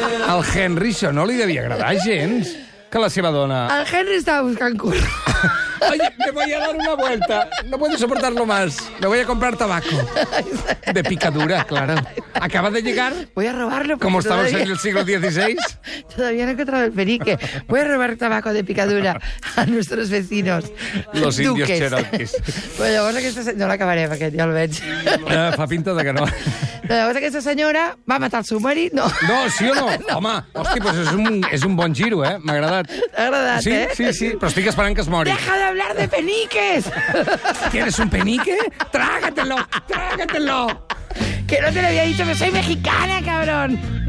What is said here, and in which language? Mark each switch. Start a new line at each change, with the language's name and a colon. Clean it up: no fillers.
Catalan: El Henry, això no li devia agradar gens, que la seva dona... El Henry estava buscant cul.
Spanish: Oye, me voy a dar una vuelta. No puedo soportarlo más. Me voy a comprar tabaco. De picadura, claro. Acaba de llegar. Voy a robarlo. Como estamos todavía... en el siglo XVI. Todavía no he encontrado el perique. Voy a robar tabaco de picadura a nuestros vecinos. Los duques. Indios Cherokees.
Catalan: Pues llavors aquesta senyora... No l'acabaré, perquè ja el veig. Fa pinta de que no. Llavors aquesta senyora va matar el seu marit? No. No, sí o no? No. Home, hòstia, pues és un bon giro, eh? M'ha agradat. T'ha agradat, sí, eh? Sí, sí, però estic esperant que es mori.
Spanish: Deja de hablar de peniques. ¿Tienes un penique? ¡Trágatelo! ¡Trágatelo! Que no te lo había dicho, que soy mexicana, cabrón.